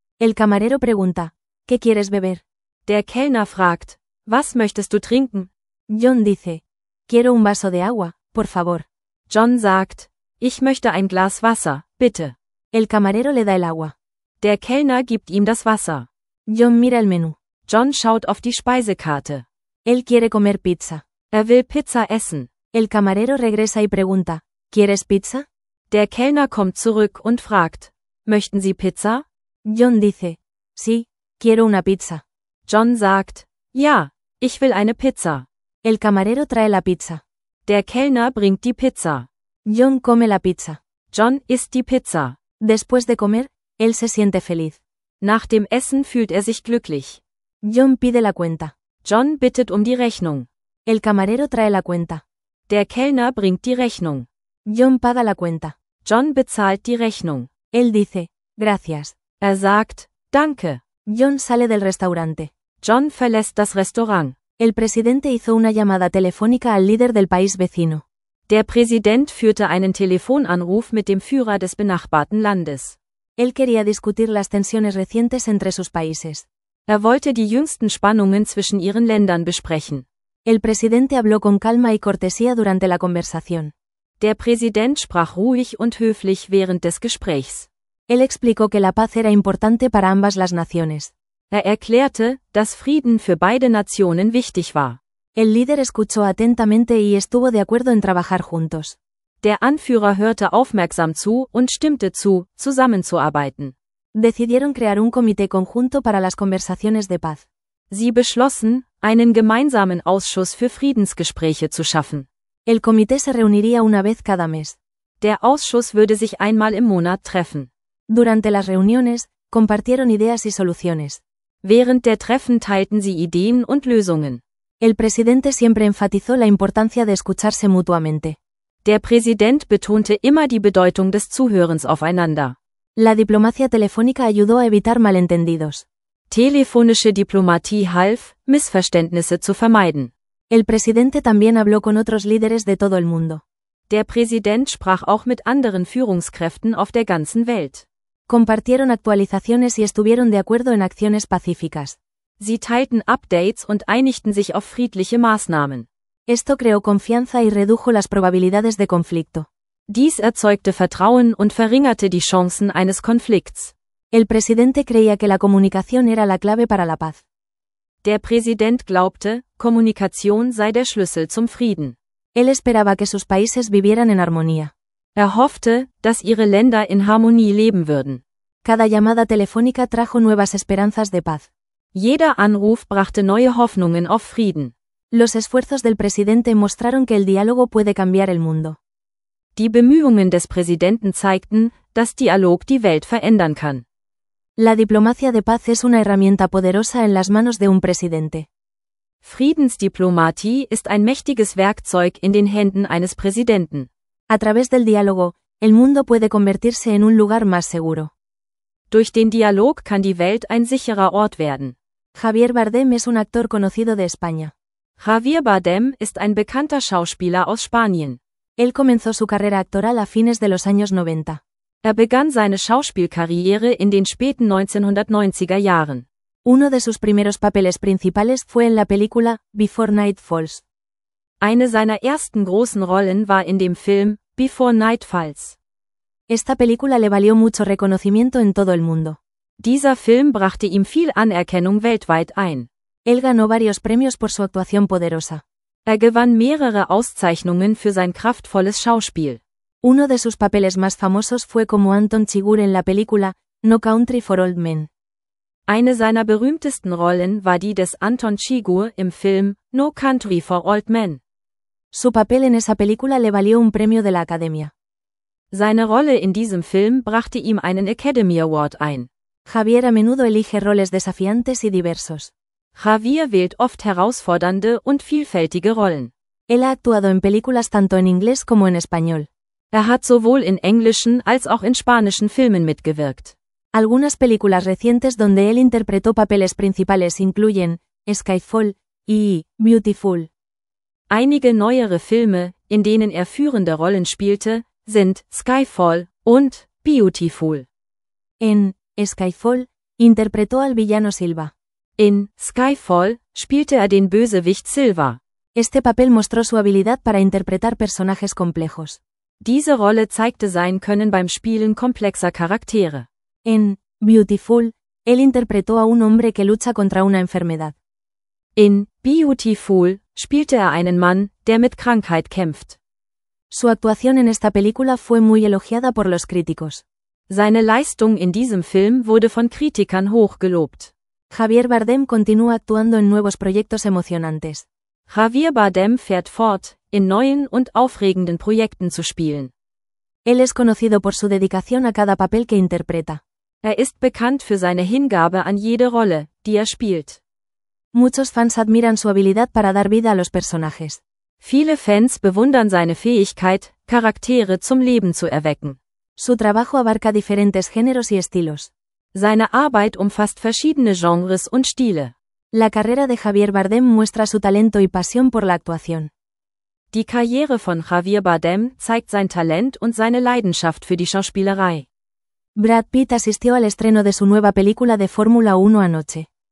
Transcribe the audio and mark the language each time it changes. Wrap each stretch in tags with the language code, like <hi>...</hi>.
<es>El camarero pregunta, ¿qué quieres beber?</es> <de>Der Kellner fragt, was möchtest du trinken?</de> <es>John dice, quiero un vaso de agua, por favor.</es> <de>John sagt, ich möchte ein Glas Wasser, bitte.</de> <es>El camarero le da el agua.</es> <de>Der Kellner gibt ihm das Wasser.</de> <es>John mira el menú.</es> <de>John schaut auf die Speisekarte.</de> <es>Él quiere comer pizza.</es> <de>Er will Pizza essen.</de> <es>El camarero regresa y pregunta, ¿quieres pizza?</es> <de>Der Kellner kommt zurück und fragt, möchten Sie Pizza?</de> <es>John dice, sí, quiero una pizza.</es> <de>John sagt, ja, ich will eine Pizza.</de> <es>El camarero trae la pizza.</es> <de>Der Kellner bringt die Pizza.</de> <es>John come la pizza.</es> <de>John isst die Pizza.</de> <es>Después de comer, él se siente feliz.</es> <de>Nach dem Essen fühlt er sich glücklich.</de> <es>John pide la cuenta.</es> <de>John bittet um die Rechnung.</de> <es>El camarero trae la cuenta.</es> <de>Der Kellner bringt die Rechnung.</de> <es>John paga la cuenta.</es> <de>John bezahlt die Rechnung.</de> <es>Él dice, gracias.</es> <de>Er sagt, danke.</de> <es>John sale del restaurante.</es> <de>John verlässt das Restaurant.</de> <es>El presidente hizo una llamada telefónica al líder del país vecino.</es> <de>Der Präsident führte einen Telefonanruf mit dem Führer des benachbarten Landes.</de> <es>Él quería discutir las tensiones recientes entre sus países.</es> <de>Er wollte die jüngsten Spannungen zwischen ihren Ländern besprechen.</de> <es>El presidente habló con calma y cortesía durante la conversación.</es> <de>Der Präsident sprach ruhig und höflich während des Gesprächs.</de> <es>Él explicó que la paz era importante para ambas las naciones.</es> <de>Er erklärte, dass Frieden für beide Nationen wichtig war.</de> <es>El líder escuchó atentamente y estuvo de acuerdo en trabajar juntos.</es> <de>Der Anführer hörte aufmerksam zu und stimmte zu, zusammenzuarbeiten.</de> <es>Decidieron crear un comité conjunto para las conversaciones de paz.</es> <de>Sie beschlossen, einen gemeinsamen Ausschuss für Friedensgespräche zu schaffen.</de> <es>El comité se reuniría una vez cada mes.</es> <de>Der Ausschuss würde sich einmal im Monat treffen.</de> <es>Durante las reuniones, compartieron ideas y soluciones.</es> <de>Während der Treffen teilten sie Ideen und Lösungen.</de> <es>El presidente siempre enfatizó la importancia de escucharse mutuamente.</es> <de>Der Präsident betonte immer die Bedeutung des Zuhörens aufeinander.</de> <es>La diplomacia telefónica ayudó a evitar malentendidos.</es> <de>Telefonische Diplomatie half, Missverständnisse zu vermeiden.</de> <es>El presidente también habló con otros líderes de todo el mundo.</es> <de>Der Präsident sprach auch mit anderen Führungskräften auf der ganzen Welt.</de> <es>Compartieron actualizaciones y estuvieron de acuerdo en acciones pacíficas.</es> <de>Sie teilten Updates und einigten sich auf friedliche Maßnahmen.</de> <es>Esto creó confianza y redujo las probabilidades de conflicto.</es> <de>Dies erzeugte Vertrauen und verringerte die Chancen eines Konflikts.</de> <es>El presidente creía que la comunicación era la clave para la paz.</es> <de>Der Präsident glaubte, Kommunikation sei der Schlüssel zum Frieden.</de> <es>Él esperaba que sus países vivieran en armonía.</es> <de>Er hoffte, dass ihre Länder in Harmonie leben würden.</de> <es>Cada llamada telefónica trajo nuevas esperanzas de paz.</es> <de>Jeder Anruf brachte neue Hoffnungen auf Frieden.</de> <es>Los esfuerzos del presidente mostraron que el diálogo puede cambiar el mundo.</es> <de>Die Bemühungen des Präsidenten zeigten, dass Dialog die Welt verändern kann.</de> <es>La diplomacia de paz es una herramienta poderosa en las manos de un presidente.</es> <de>Friedensdiplomatie ist ein mächtiges Werkzeug in den Händen eines Präsidenten.</de> <es>A través del diálogo, el mundo puede convertirse en un lugar más seguro.</es> <de>Durch den Dialog kann die Welt ein sicherer Ort werden.</de> <es>Javier Bardem es un actor conocido de España.</es> <de>Javier Bardem ist ein bekannter Schauspieler aus Spanien.</de> <es>Él comenzó su carrera actoral a fines de los años 90.</es> <de>Er begann seine Schauspielkarriere in den späten 1990er Jahren.</de> <es>Uno de sus primeros papeles principales fue en la película Before Night Falls.</es> <de>Eine seiner ersten großen Rollen war in dem Film Before Night Falls.</de> <es>Esta película le valió mucho reconocimiento en todo el mundo.</es> <de>Dieser Film brachte ihm viel Anerkennung weltweit ein.</de> <es>Él ganó varios premios por su actuación poderosa.</es> <de>Er gewann mehrere Auszeichnungen für sein kraftvolles Schauspiel.</de> <es>Uno de sus papeles más famosos fue como Anton Chigurh en la película No Country for Old Men.</es> <de>Eine seiner berühmtesten Rollen war die des Anton Chigurh im Film No Country for Old Men.</de> <es>Su papel en esa película le valió un premio de la Academia.</es> <de>Seine Rolle in diesem Film brachte ihm einen Academy Award ein.</de> <es>Javier a menudo elige roles desafiantes y diversos.</es> <de>Javier wählt oft herausfordernde und vielfältige Rollen.</de> <es>Él ha actuado en películas tanto en inglés como en español.</es> <de>Er hat sowohl in englischen als auch in spanischen Filmen mitgewirkt.</de> <es>Algunas películas recientes donde él interpretó papeles principales incluyen Skyfall y Beautiful.</es> <de>Einige neuere Filme, in denen er führende Rollen spielte, sind Skyfall und Beautiful.</de> <es>En Skyfall interpretó al villano Silva.</es> <de>In Skyfall spielte er den Bösewicht Silva.</de> <es>Este papel mostró su habilidad para interpretar personajes complejos.</es> <de>Diese Rolle zeigte sein Können beim Spielen komplexer Charaktere.</de> <es>En Beautiful, él interpretó a un hombre que lucha contra una enfermedad.</es> <de>In Beautiful spielte er einen Mann, der mit Krankheit kämpft.</de> <es>Su actuación en esta película fue muy elogiada por los críticos.</es> <de>Seine Leistung in diesem Film wurde von Kritikern hoch gelobt.</de> <es>Javier Bardem continúa actuando en nuevos proyectos emocionantes.</es> <de>Javier Bardem fährt fort, in neuen und aufregenden Projekten zu spielen.</de> <es>Él es conocido por su dedicación a cada papel que interpreta.</es> <de>Er ist bekannt für seine Hingabe an jede Rolle, die er spielt.</de> <es>Muchos fans admiran su habilidad para dar vida a los personajes.</es> <de>Viele Fans bewundern seine Fähigkeit, Charaktere zum Leben zu erwecken.</de> <es>Su trabajo abarca diferentes géneros y estilos.</es> <de>Seine Arbeit umfasst verschiedene Genres und Stile.</de> <es>La carrera de Javier Bardem muestra su talento y pasión por la actuación.</es> <de>Die Karriere von Javier Bardem zeigt sein Talent und seine Leidenschaft für die Schauspielerei.</de> <es>Brad Pitt asistió al estreno de su nueva película de Fórmula 1 anoche.</es>